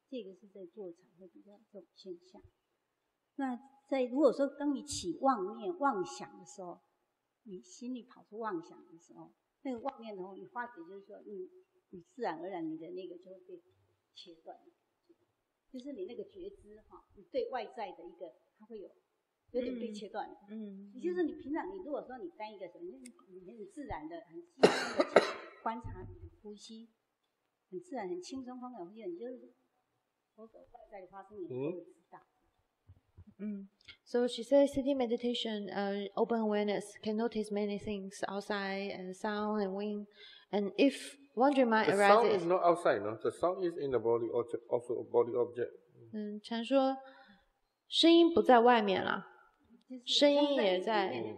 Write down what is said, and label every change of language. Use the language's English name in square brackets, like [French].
[Chinese] 这个是在坐禅会比较这种现象。那在如果说当你起妄念、妄想的时候，你心里跑出妄想的时候，那个妄念的话，你化解就是说，你自然而然你的那个就会被切断，就是你那个觉知哈，你对外在的一个，它会有点被切断。嗯，就是你平常你如果说你单一个什么，你很自然的、很轻松的观察你的呼吸，很自然、很轻松方的呼吸，你就是所有外在的发生，你都会知道。 [English] So she says sitting meditation, open awareness, can notice many things outside and sound and wind. And if wandering mind arises, the sound is not outside, no. The sound is in the body object, also a body object. [Chinese] 嗯，禅说声音不在外面了，声音也在。